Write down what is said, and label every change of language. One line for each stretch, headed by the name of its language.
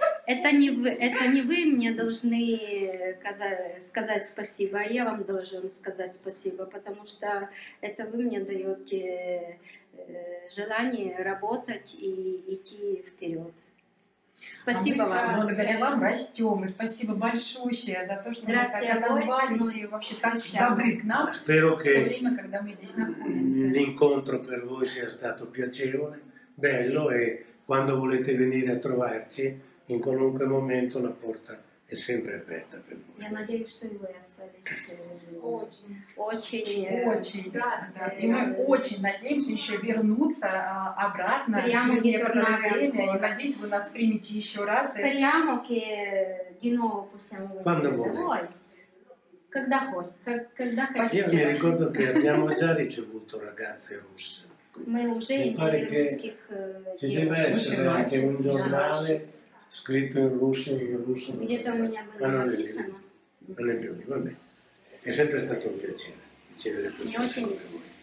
Russian: Это не вы мне должны сказать спасибо, а я вам должен сказать спасибо, потому что это вы мне даете желание работать и идти вперед. Спасибо вам. Благодаря вам растем. И спасибо большое за то, что вы так отозвались и вообще так добры к нам.
Italian: Spero che
Russian: время, когда мы здесь находимся.
Italian: L'incontro per voi sia stato piacevole, bello, e quando volete venire a trovarci, in qualunque momento la porta è sempre aperta per voi.
Russian: Я надеюсь, что и вы остались. Очень. Мы очень надеемся еще вернуться обратно через некоторое время. И надеюсь, вы нас примете еще раз.
Italian: Speriamo che di nuovo possiamo venire. Quando vuoi.
Russian: Когда хочешь. Я мне
Italian: ricordo che abbiamo già ricevuto ragazze russe.
Russian: Мы уже имели русских девушек.
Italian: Ci deve essere anche un giornale scritto in russo,
Russian: Где-то у меня было написано.
Italian: Non è più, va bene. È sempre stato un piacere ricevere persone come voi.